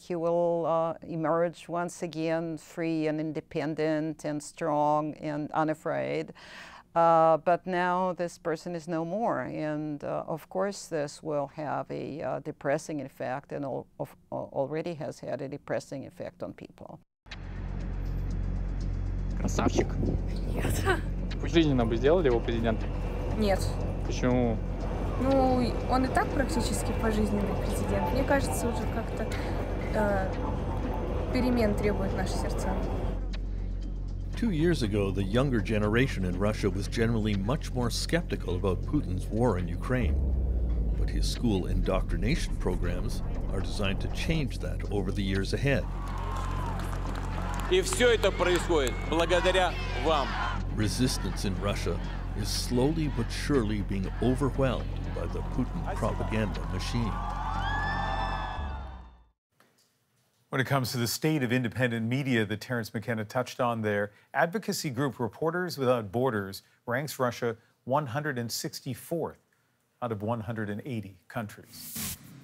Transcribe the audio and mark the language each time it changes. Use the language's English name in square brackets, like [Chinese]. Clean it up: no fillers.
[English] He will emerge once again free and independent and strong and unafraid. But now this person is no more. And of course, this will have a depressing effect and already has had a depressing effect on people. [Russian] Красавчик. [English] Yes. [Russian] Жизнь нам бы сделали его президентом? Нет. Почему? Ну, он и так практически пожизненный президент. Мне кажется, уже как-то перемен требует наши сердца. [English] 2 years ago, the younger generation in Russia was generally much more skeptical about Putin's war in Ukraine. But his school indoctrination programs are designed to change that over the years ahead. [Russian] И все это происходит благодаря вам. [English] Resistance in Russia is slowly but surely being overwhelmed by the Putin propaganda machine. When it comes to the state of independent media that Terrence McKenna touched on there, advocacy group Reporters Without Borders ranks Russia 164th out of 180 countries.